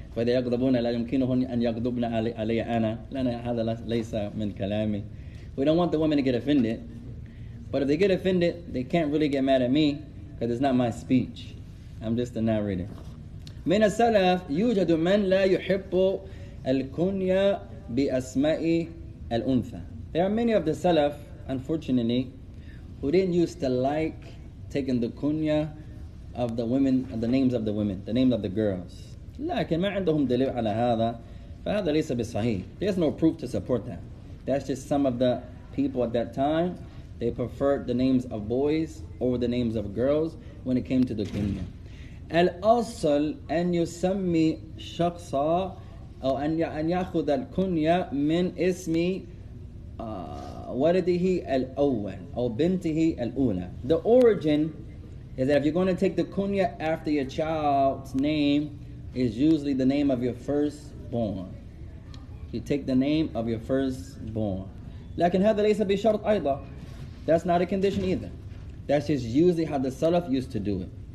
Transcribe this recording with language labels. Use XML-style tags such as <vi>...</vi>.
<ar>فإذا يغضبون لا يمكنهم أن يغضبن علي أنا. لأن هذا ليس من كلامي.</ar> <en>We don't want the women to get offended. But if they get offended, they can't really get mad at me because it's not my speech. I'm just the narrator.</en> <ar>من السلف يوجد من لا يحب الكنية بأسماء الأنثى.</ar> <en>There are many of the Salaf, unfortunately, who didn't used to like taking the kunya of the women, the names of the women, the names of the girls.</en> <ar>لكن ما عندهم دليل على هذا فهذا ليس بالصحيح.</ar> <en>There's no proof to support that. That's just some of the people at that time, they preferred the names of boys over the names of girls when it came to the kunya.</en> <ar>الأصل أن يسمي شخصا أو أن يأخذ الكنية من اسمي ولده الأول أو بنته الأولى.</ar> <en>The origin is that if you're going to take the kunya after your child's name, is usually the name of your firstborn. You take the name of your firstborn.</en> <ar>لكن هذا ليس بشرط أيضا.</ar> <en>That's not a condition either. That's just usually how the Salaf used to do it.</en>